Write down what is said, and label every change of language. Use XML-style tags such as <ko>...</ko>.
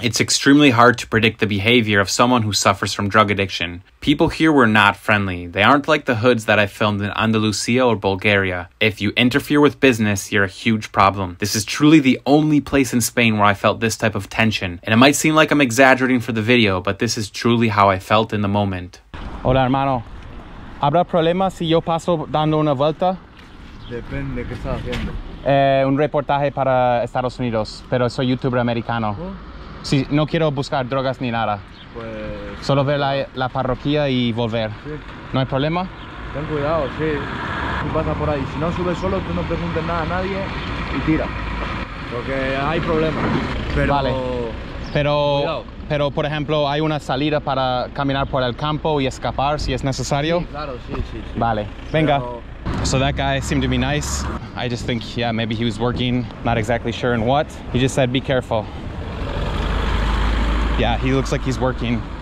<en>It's extremely hard to predict the behavior of someone who suffers from drug addiction. People here were not friendly. They aren't like the hoods that I filmed in Andalusia or Bulgaria. area. If you interfere with business, you're a huge problem. This is truly the only place in Spain where I felt this type of tension. And it might seem like I'm exaggerating for the video, but this is truly how I felt in the moment.</en> <es>Hola, hermano. ¿Habrá problema si yo paso dando una vuelta? Depende de qué estás haciendo. Un reportaje para Estados Unidos, pero soy youtuber americano. Sí, no quiero buscar drogas ni nada. Pues... solo ver la parroquia y volver. Sí. ¿No hay problema? Ten cuidado, sí. Tú pasas por ahí. Si no subes solo, tú no preguntes nada a nadie y tira. Porque hay problemas. Pero... vale. Pero... cuidado. Pero, por ejemplo, hay una salida para caminar por el campo y escapar si es necesario. Sí, claro, sí. Vale. Venga. Pero...</es> <en>so that guy seemed to be nice. I just think, yeah, maybe he was working. Not exactly sure in what. He just said, be careful. Yeah, he looks like he's working.</en>